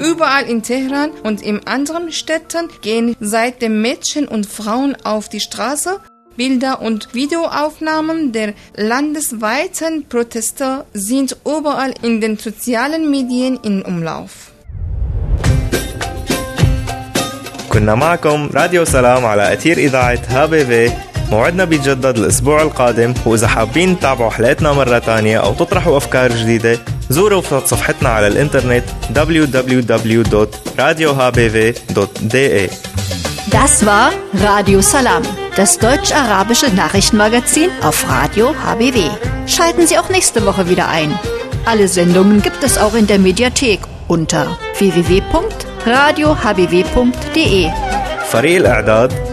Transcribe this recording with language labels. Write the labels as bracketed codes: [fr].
[de] Überall in Teheran und in anderen Städten gehen seitdem Mädchen und Frauen auf die Straße, Bilder und Videoaufnahmen der landesweiten Proteste sind überall in den sozialen Medien in Umlauf. [ar] كنا معكم راديو سلام على أثير إذاعة هابيبي. موعدنا بيتجدد الأسبوع القادم, وإذا حابين تتابعوا حلقتنا مرة تانية أو تطرحوا أفكار جديدة زوروا صفحتنا على الإنترنت www.radiohbw.de. [de] Das war Radio Salam, das deutsch-arabische Nachrichtenmagazin auf Radio HBW. Schalten Sie auch nächste Woche wieder ein. Alle Sendungen gibt es auch in der Mediathek unter www.radiohbw.de. [ar] فريق الإعداد,